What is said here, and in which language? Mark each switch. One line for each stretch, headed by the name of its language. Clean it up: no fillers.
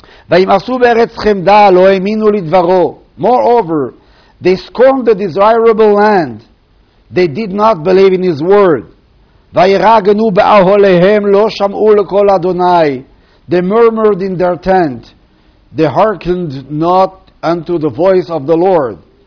Hebrew: וימעשו בארץ חמדה, לא האמינו לדברו.
English: Moreover, they scorned the desirable land. They did not believe in his word.
Hebrew: וירגנו באהליהם, לא שמעו לקול אדוני.
English: They murmured in their tent. They hearkened not unto the voice of the Lord.